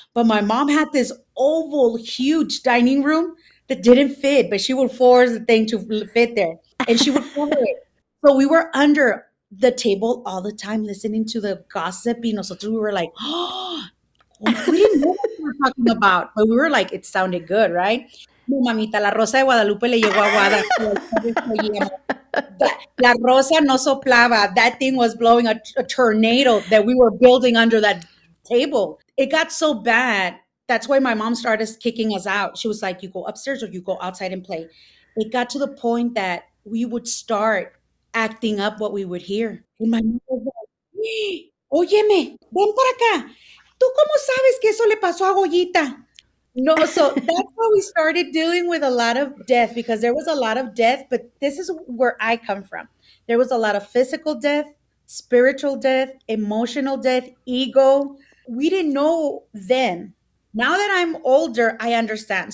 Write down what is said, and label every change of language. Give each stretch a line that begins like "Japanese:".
English: But my mom had this oval, huge dining room that didn't fit, but she would force the thing to fit there. And she would cover it. So we were under the table all the time listening to the gossip.
Spanish: Y nosotros,
English: we were like, oh, we didn't know what we were talking about. But we were like, it sounded good, right?
Spanish: Mamita, la Rosa de Guadalupe le llegó a Guada. La Rosa no soplaba.
English: That thing was blowing a tornado that we were building under that table. It got so bad. That's why my mom started kicking us out. She was like, you go upstairs or you go outside and play. It got to the point that we would start acting up what we would hear. And my mom was like,
Spanish: óyeme, ven para acá. ¿Tú cómo sabes que eso le pasó a Goyita?
English: No, so that's how we started dealing with a lot of death, because there was a lot of death, but this is where I come from. There was a lot of physical death, spiritual death, emotional death, ego. We didn't know then. Now that I'm older, I understand.